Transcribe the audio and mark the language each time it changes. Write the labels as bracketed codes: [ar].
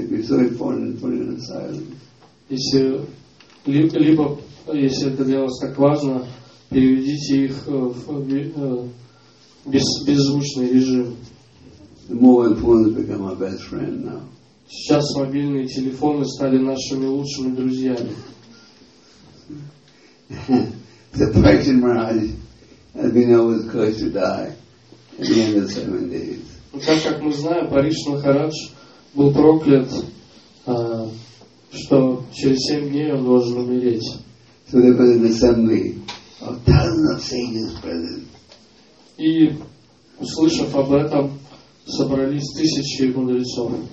[ru] Если это для вас так важно, переведите их в беззвучный режим. [en] The mobile phones become our best friend now. [ru] Сейчас мобильные телефоны стали нашими лучшими друзьями. [en] The Parikshit Maharaj has been always close to die at the end of 7 days. [ru] Так как мы знаем, Парикшит Махарадж был проклят, что через 7 дней он должен умереть. [en] So there was an assembly of thousands of sages present. [ru] И услышав об этом, собрались тысячи мудрецов.